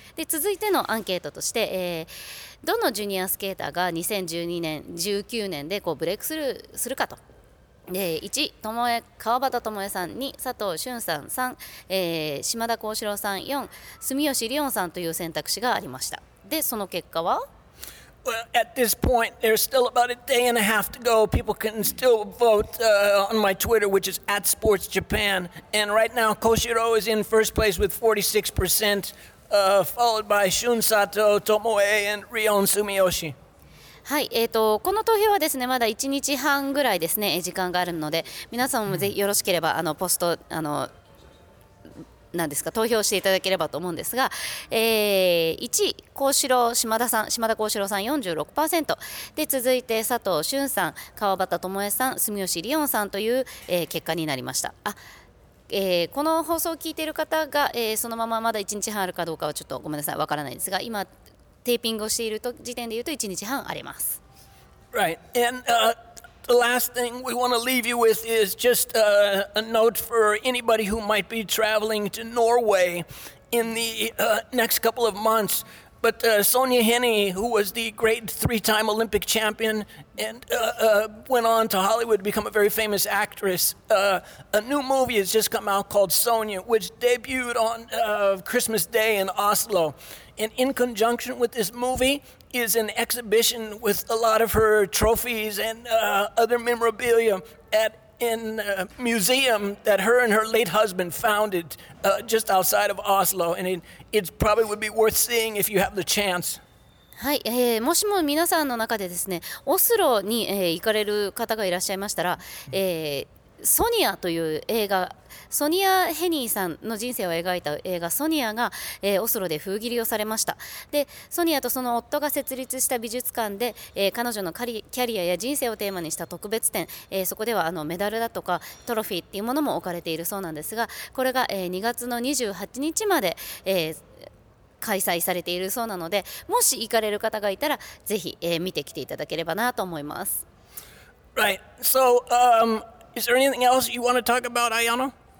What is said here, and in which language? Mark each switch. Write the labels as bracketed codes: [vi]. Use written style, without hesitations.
[ja] で続いてのアンケートとして、どのジュニアスケーターが2012年19年でこうブレイクスルーするかと、で1、トモエ川端智恵さん、2、佐藤俊さん、3、島田幸四郎さん、4、住吉りおんさんという選択肢がありました。でその結果は、 [en] Well, at this point, there's still about a day and a half to go. People can still vote on my Twitter, which is at Sports Japan. And right now, Koshiro is in first place with 46%, followed by Shun Sato, Tomoe, and Rion Sumiyoshi. [ja] はい、この投票はですね、まだ1日半ぐらいですね、時間があるので、皆さんもぜひよろしければ、あのポスト、あの、なんですか、投票していただければと思うんですが、1位幸四郎島田さん、島田幸四郎さん 46% で、続いて佐藤俊さん、川端智恵さん、住吉りおんさんという、結果になりました。あ、この放送を聞いている方が、そのまままだ1日半あるかどうかはちょっとごめんなさい、わからないんですが、今テーピングをしていると時点で言うと1日半あります。 [en] Right. And, The last thing we want to leave you with is just a note for anybody who might be traveling to Norway in the next couple of months. But Sonja Henie, who was the great three-time Olympic champion and went on to Hollywood to become a very famous actress, a new movie has just come out called Sonja, which debuted on Christmas Day in Oslo. And in conjunction with this movie is an exhibition with a lot of her trophies and other memorabilia at in a museum that her and her late husband founded just outside of Oslo. And it probably would be worth seeing if you have the chance. [ja] はい、もしも皆さんの中でですね、オスロに、行かれる方がいらっしゃいましたら、ソニアという映画、ソニア・ヘニーさんの人生を描いた映画ソニアが、オスロで封切りをされました。でソニアとその夫が設立した美術館で、彼女のキャリアや人生をテーマにした特別展、そこではあのメダルだとかトロフィーっていうものも置かれているそうなんですが、これが、2月の28日まで、開催されているそうなので、もし行かれる方がいたらぜひ、見てきていただければなと思います。 [en] Right. So, is there anything else you want to talk about, Ayano?